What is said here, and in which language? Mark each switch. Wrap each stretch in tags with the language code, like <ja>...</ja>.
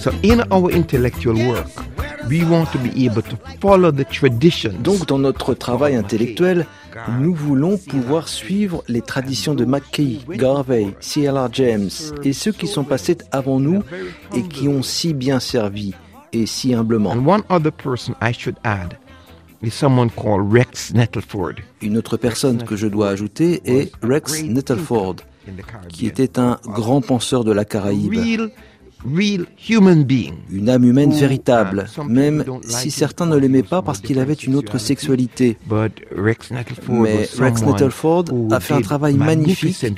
<en>So in our intellectual work, we want to be able to follow the traditions.</en> <fr>Donc dans notre travail intellectuel, nous voulons pouvoir suivre les traditions de McKay, Garvey, C.L.R. James et ceux qui sont passés avant nous et qui ont si bien servi et si humblement.</fr> <en>And one other person I should add is someone called Rex Nettleford.</en> <fr>Une autre personne que je dois ajouter est Rex Nettleford, qui était un grand penseur de la Caraïbe.</fr> <en>Real human being,</en> <fr>une âme humaine véritable, même si certains ne l'aimaient pas parce qu'il avait une autre sexualité. Mais Rex Nettleford a fait un travail magnifique.</fr>